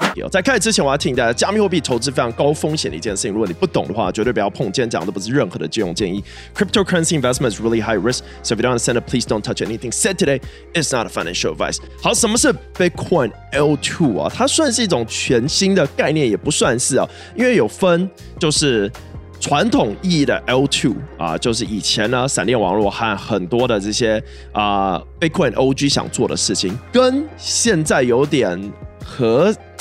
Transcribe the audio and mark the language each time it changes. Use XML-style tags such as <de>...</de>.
<zh>在开始之前，我要提醒大家，加密货币投资非常高风险的一件事情。如果你不懂的话，绝对不要碰。今天讲的都不是任何的金融建议。</zh> <en>Cryptocurrency investment is really high risk, so if you don't understand it, please don't touch anything said today. It's not a financial advice.</en> <zh>好，什么是 Bitcoin L2 啊？它算是一种全新的概念，也不算是啊，因为有分就是传统意义的 L2 啊，就是以前呢闪电网络和很多的这些啊 Bitcoin OG 想做的事情，跟现在有点和。</zh>